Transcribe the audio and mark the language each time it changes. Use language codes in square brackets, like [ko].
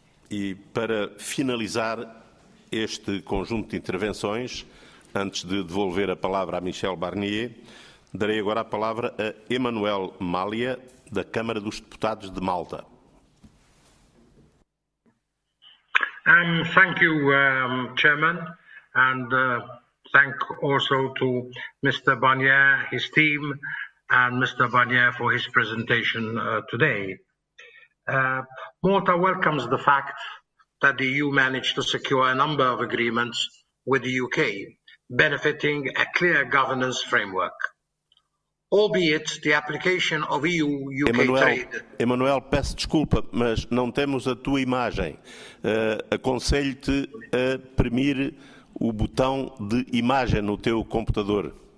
[pt] E para finalizar este conjunto de intervenções, antes de devolver a palavra a Michel Barnier, darei agora a palavra a Emanuel Malia, da Câmara dos Deputados de Malta. [en] And thank you, Chairman, and thank also to Mr. Barnier, his team, and Mr. Barnier for his presentation today. Malta welcomes the fact that the EU managed to secure a number of agreements with the UK, benefiting a clear governance framework. Albeit the application of EU-UK Emanuel, trade... [pt] Emanuel, peço desculpa, mas não temos a tua imagem. Aconselho-te a premir o botão de imagem no teu computador.